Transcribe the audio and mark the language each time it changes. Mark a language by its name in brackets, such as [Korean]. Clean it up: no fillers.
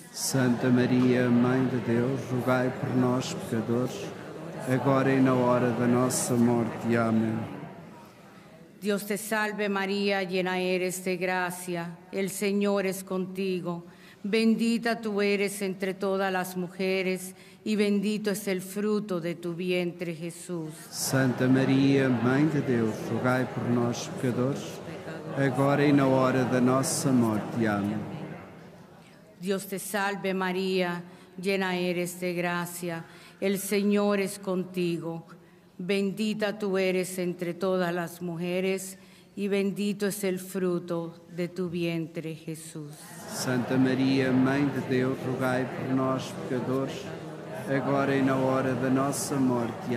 [Portuguese] Santa María, Mãe de Deus, rogai por nós, pecadores, agora e na hora da nossa morte. Amém. [Spanish] Dios te salve, María, llena eres de gracia. El Señor es contigo. Bendita tú eres entre todas las mujeres y bendito es el fruto de tu vientre, Jesús. [Portuguese] Santa María, Mãe de Deus, rogai por nós, pecadores, agora e na hora da nossa morte. Amém. [Spanish] Dios te salve, María, llena eres de gracia. El Señor es contigo. Bendita tú eres entre todas las mujeres y bendito es el fruto de tu vientre, Jesús. [Portuguese] Santa María, Mãe de Deus, rogai por nós, pecadores, agora e na hora da nossa morte.